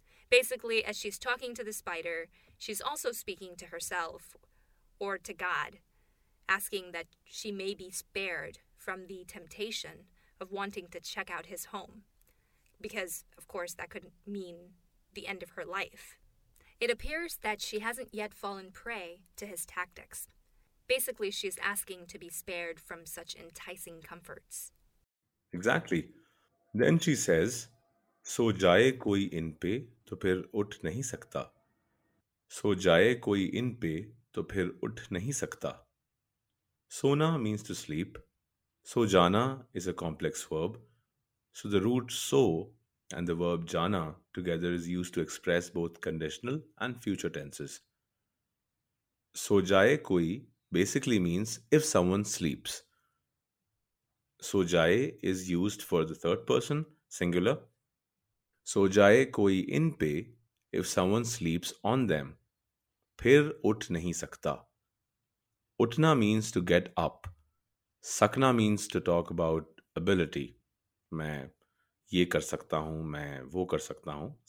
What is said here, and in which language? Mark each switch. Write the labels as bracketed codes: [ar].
[en] Basically, as she's talking to the spider, she's also speaking to herself or to God, asking that she may be spared from the temptation of wanting to check out his home. Because, of course, that could mean the end of her life. It appears that she hasn't yet fallen prey to his tactics. Basically, she's asking to be spared from such enticing comforts. Exactly. Then she says, [hi] सो जाए कोई इन पे तो फिर उठ नहीं सकता. सो जाए कोई इन पे तो फिर उठ नहीं सकता. सोना [en] means to sleep. [hi] सो जाना [en] is a complex verb. So the root so and the verb jana together is used to express both conditional and future tenses. [hi] सो जाए कोई [en] basically means if someone sleeps. [hi] सो जाए [en] is used for the third person, singular. [hi] सो जाए कोई इन पे [en] if someone sleeps on them [hi] फिर उठ नहीं सकता. उठना [en] Means to get up. [hi] सकना [en] Means to talk about ability. [hi] मैं ये कर सकता हूँ, मैं वो कर सकता हूँ.